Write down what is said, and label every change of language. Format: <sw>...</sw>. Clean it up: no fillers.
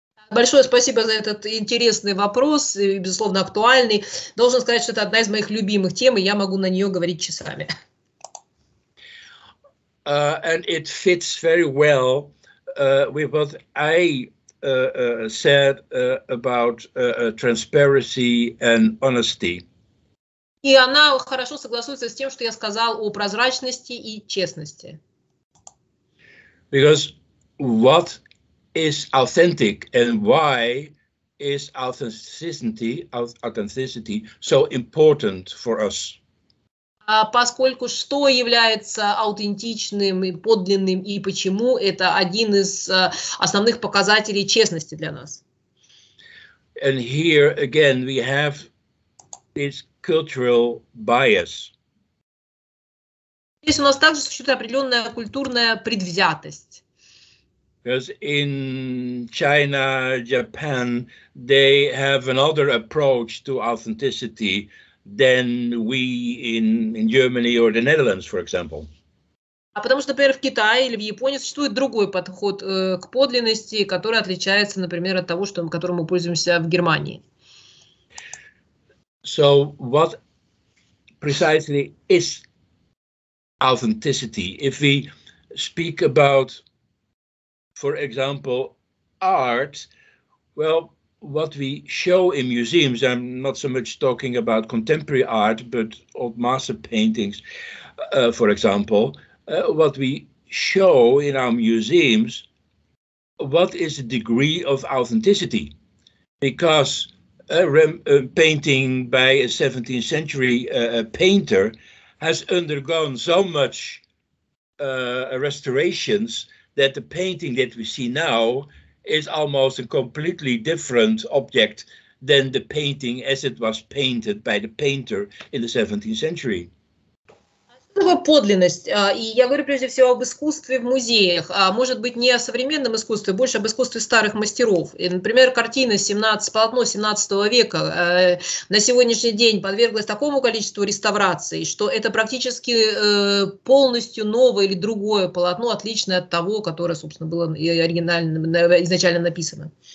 <ru>Большое спасибо за этот интересный вопрос, и, безусловно, актуальный. Должен сказать, что это одна из моих любимых тем, и я могу на нее говорить часами.</ru> <en>And it fits very well. With what I said about transparency and honesty.</en> <ru>И она хорошо согласуется с тем, что я сказал о прозрачности и честности.</ru> <en>Because what is authentic and why is authenticity so important for us?</en> <ru>Поскольку что является аутентичным и подлинным, и почему, это один из основных показателей честности для нас.</ru> <en>And here again we have this cultural bias.</en> <ru>Здесь у нас также существует определенная культурная предвзятость.</ru> <en>Because in China, Japan, they have another approach to authenticity than we in Germany or the Netherlands, for example.</en> <ru>А потому что, например, в Китае или в Японии существует другой подход к подлинности, который отличается, например, от того, что, которым мы пользуемся в Германии.</ru> <en>So what precisely is authenticity? If we speak about, for example, art, well, what we show in museums, I'm not so much talking about contemporary art, but old master paintings, for example, what we show in our museums, what is the degree of authenticity? Because a painting by a 17th century painter has undergone so much restorations that the painting that we see now is almost a completely different object than the painting as it was painted by the painter in the 17th century.</en> <ru>Подлинность. И я говорю прежде всего об искусстве в музеях. Может быть, не о современном искусстве, больше об искусстве старых мастеров. И, например, картина 17, полотно 17 века на сегодняшний день подверглась такому количеству реставраций, что это практически полностью новое или другое полотно, отличное от того, которое, собственно, было оригинально, изначально написано.</ru>